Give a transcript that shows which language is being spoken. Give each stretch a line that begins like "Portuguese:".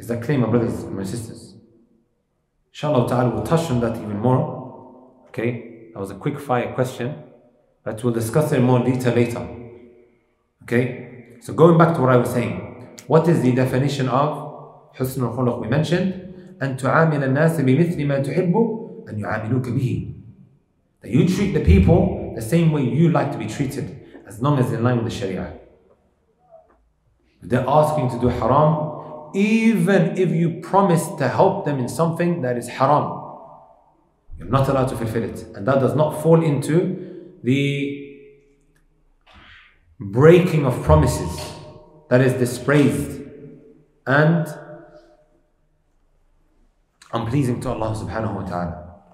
English: Is that clear, my brothers and my sisters? Inshallah ta'ala, we'll touch on that even more. Okay, that was a quick fire question, but we'll discuss it in more detail later. Okay, so going back to what I was saying, what is the definition of حسن الخلق we mentioned?
Arabic: أن تعامل الناس بمثل ما تحب أن يعاملوك به.
English: That you treat the people the same way you like to be treated, as long as in line with the Sharia. They're asking to do haram, even if you promise to help them in something that is haram, you're not allowed to fulfill it. And that does not fall into the breaking of promises that is dispraised and unpleasing to Allah subhanahu wa ta'ala.